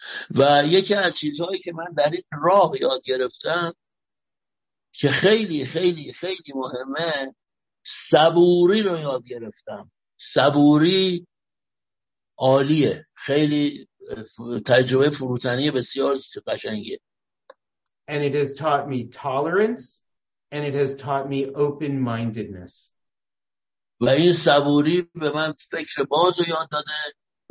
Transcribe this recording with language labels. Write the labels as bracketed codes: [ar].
[fa] و یکی از چیزهایی که من در این راه یاد گرفتم که خیلی خیلی خیلی مهمه، صبوری رو یاد گرفتم. صبوری عالیه، خیلی تجربه فروتنی بسیار قشنگیه. [en] And it has taught me tolerance and it has taught me open-mindedness. [fa] و این صبوری به من فکر باز رو یاد داده و